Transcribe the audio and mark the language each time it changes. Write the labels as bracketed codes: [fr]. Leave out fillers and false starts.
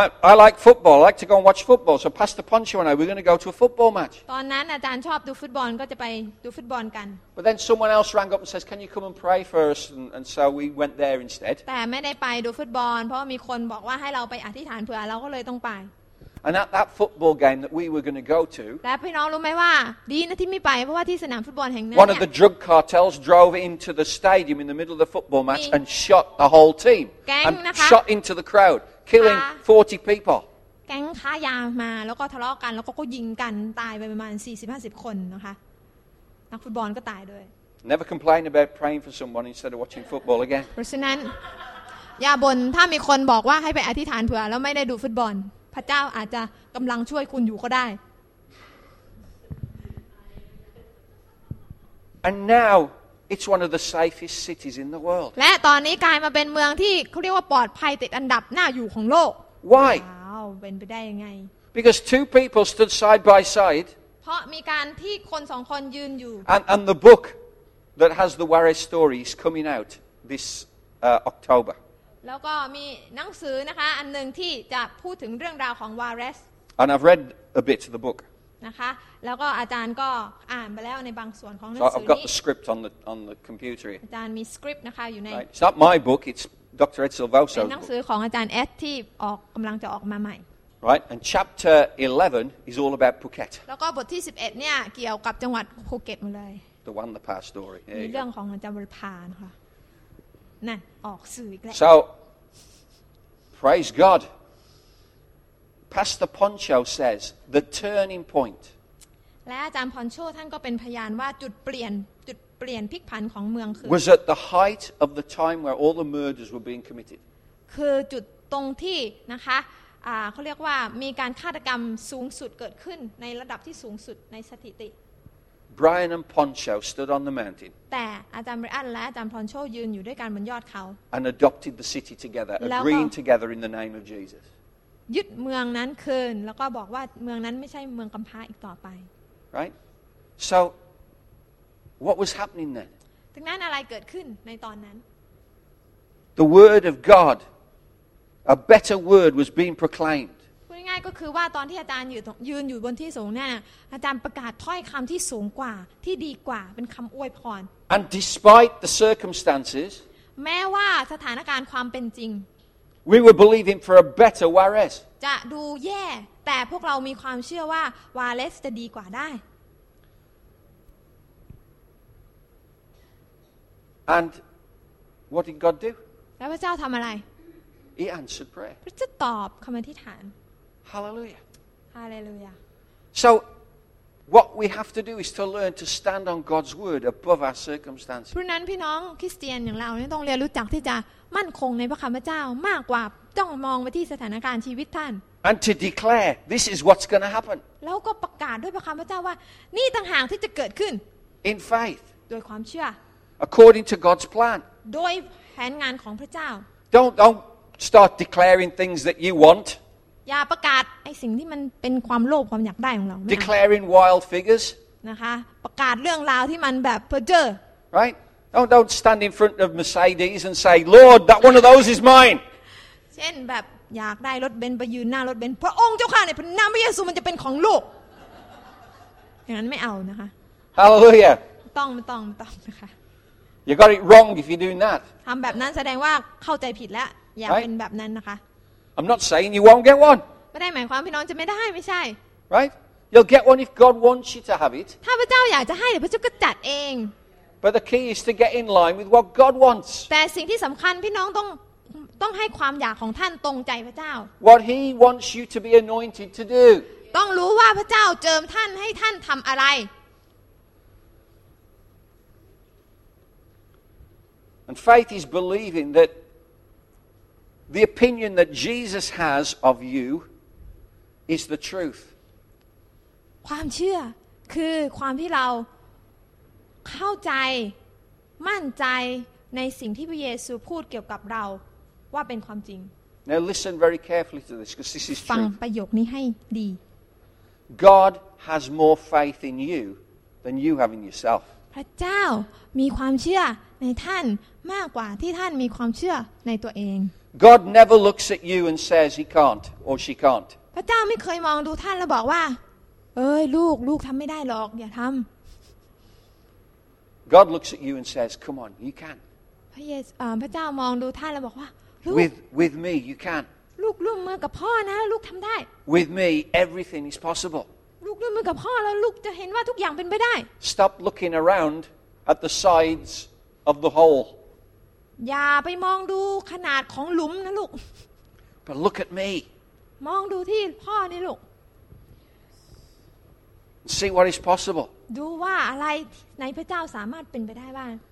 [en] I like football. I like to go and watch football. So Pastor Poncho and I, we're going to go to a football match. [th] ตอนนั้นอาจารย์ชอบดูฟุตบอลก็จะไปดูฟุตบอลกัน [en] But then someone else rang up and says, "Can you come and pray for us?" And so we went there instead. [th] แต่ไม่ได้ไปดูฟุตบอลเพราะมีคนบอกว่าให้เราไปอธิษฐานเผื่อเราก็เลยต้องไป [en] And at that football game that we were going to go to, [th] แต่พี่น้องรู้ไหมว่าดีนะที่ไม่ไปเพราะว่าที่สนามฟุตบอลแห่งนั้น [en] One of the drug cartels drove into the stadium in the middle of the football match and shot the whole team and shot into the crowd. Killing 40 people. [th] แก๊งค้ายามาแล้วก็ทะเลาะกันแล้วก็ยิงกันตายไปประมาณ 40-50 คนนะคะนักฟุตบอลก็ตายด้วย [en] Never complain about praying for someone instead of watching football again. [th] เพราะฉะนั้นอย่าบ่นถ้ามีคนบอกว่าให้ไปอธิษฐานเผื่อแล้วไม่ได้ดูฟุตบอลพระเจ้าอาจจะกำลังช่วยคุณอยู่ก็ได้ [en] And now it's one of the safest cities in the world [th] และตอนนี้กลายมาเป็นเมืองที่เขาเรียกว่าปลอดภัยติดอันดับหน้าอยู่ของโลก [en] why [th] wow เป็นไปได้ยังไง [en] because two people stood side by side [th] เพราะมีการที่คน2คนยืนอยู่ [en] and the book that has the Juarez story is coming out this October [th] แล้วก็มีหนังสือนะคะอันนึงที่จะพูดถึงเรื่องราวของ Juarez [en] and I've read a bit of the book [th] นะคะแล้วก็อาจารย์ก็อ่านไปแล้วในบางส่วนของหนังสือนี้ [en] I've got the script on the computer [th] อาจารย์มีสคริปต์นะคะอยู่ใน [en] It's not my book it's Dr. Ed Silvoso [th] หนังสือของอาจารย์เอสที่ออกกำลังจะออกมาใหม่ [en] Right and chapter 11 is all about Phuket [th] แล้วก็บทที่11เนี่ยเกี่ยวกับจังหวัดภูเก็ตหมดเลย [en] The one the past story [th] มีเรื่องของอาจารย์บรรพานะคะนั่นออกสื่ออีกแล้ว [en] So praise GodPastor Poncho says the turning point. [th] และอาจารย์ Poncho ท่านก็เป็นพยานว่าจุดเปลี่ยนพลิกผันของเมืองคือ [en] Was at the height of the time where all the murders were being committed. [th] คือจุดตรงที่นะคะเขาเรียกว่ามีการฆาตกรรมสูงสุดเกิดขึ้นในระดับที่สูงสุดในสถิติ [en] Brian and Poncho stood on the mountain. [th] แต่อาจารย์ Brian และอาจารย์ Poncho ยืนอยู่ด้วยกันบนยอดเขา [en] And adopted the city together, agreeing together in the name of Jesus. [th] ยึดเมืองนั้นคืนแล้วก็บอกว่าเมืองนั้นไม่ใช่เมืองกำพร้าอีกต่อไป [en] right so what was happening then [th] ดังนั้นอะไรเกิดขึ้นในตอนนั้น [en] the word of God a better word was being proclaimed [th] พูดง่ายๆก็คือว่าตอนที่อาจารย์ยืนอยู่บนที่สูงเนี่ยอาจารย์ประกาศถ้อยคำที่สูงกว่าที่ดีกว่าเป็นคำอวยพร [en] and despite the circumstances [th] แม้ว่าสถานการณ์ความเป็นจริง [en] We were believing for a better Juarez. [th] จะดูแย่แต่พวกเรามีความเชื่อว่า Juarez จะดีกว่าได้ [en] And what did God do? [th] แล้วพระเจ้าทำอะไร [en] He answered prayer. [th] พระเจ้าตอบคำอธิษฐาน [en] Hallelujah. Hallelujah. So what we have to do is to learn to stand on God's word above our circumstances. [th] เพราะนั้นพี่น้องคริสเตียนอย่างเราต้องเรียนรู้จักที่จะมั่นคงในพระคำพระเจ้ามากกว่าต้องมองไปที่สถานการณ์ชีวิตท่าน [en] And to declare this is what's going to happen [th] แล้วก็ประกาศด้วยพระคำพระเจ้าว่านี่ต่างหากที่จะเกิดขึ้น [en] In faith [th] โดยความเชื่อ [en] According to God's plan [th] โดยแผนงานของพระเจ้า [en] Don't start declaring things that you want [th] อย่าประกาศไอ้สิ่งที่มันเป็นความโลภความอยากได้ของเรา [en] Declaring wild figures [th] นะคะประกาศเรื่องราวที่มันแบบเพ้อเจ้อ [en] RightDon't stand in front of Mercedes and say, Lord, that one of those is mine. [th] เช่นแบบอยากได้รถเบนซ์ไปยืนหน้ารถเบนซ์พระองค์เจ้าข้าในพระนามพระเยซูมันจะเป็นของลูกอย่างนั้นไม่เอานะคะ [en] Hallelujah. [th] ต้องนะคะ [en] You got it wrong if you're doing that. [th] ทำแบบนั้นแสดงว่าเข้าใจผิดแล้วอย่าเป็นแบบนั้นนะคะ [en] I'm not saying you won't get one. [th] ไม่ได้หมายความพี่น้องจะไม่ได้ไม่ใช่ [en] Right? You'll get one if God wants you to have it. [th] ถ้าพระเจ้าอยากจะให้เดี๋ยวพระเจ้าก็จัดเอง [en] But the key is to get in line with what God wants. [th] แต่สิ่งที่สำคัญพี่น้องต้องให้ความอยากของท่านตรงใจพระเจ้า [en] What He wants you to be anointed to do. [th] ต้องรู้ว่าพระเจ้าเจิมท่านให้ท่านทำอะไร [en] And faith is believing that the opinion that Jesus has of you is the truth. [th] ความเชื่อ คือความที่เราเข้าใจมั่นใจในสิ่งที่พระเยซูพูดเกี่ยวกับเราว่าเป็นความจริง [en] Now listen very carefully to this because this is true [th] ฟังประโยคนี้ให้ดี [en] God has more faith in you than you have in yourself [th] พระเจ้ามีความเชื่อในท่านมากกว่าที่ท่านมีความเชื่อในตัวเอง [en] God never looks at you and says he can't or she can't [th] พระเจ้าไม่เคยมองดูท่านแล้วบอกว่าเอ้ยลูกทำไม่ได้หรอกอย่าทำ [en] God looks at you and says come on you can [th] พระเจ้ามองดูท่านแล้วบอกว่า [en] with me you can [th] ลูกมือกับพ่อนะลูกทำได้ [en] with me everything is possible [th] ลูกร่วมมือกับพ่อแล้วลูกจะเห็นว่าทุกอย่างเป็นไปได้ [en] stop looking around at the sides of the hole [th] อย่าไปมองดูขนาดของหลุมนะลูก [en] but look at me [th] มองดูที่พ่อนี่ลูก [en] See what is possible. [th] ดูว่าอะไรในพระเจ้าสามารถเป็นไปได้บ้าง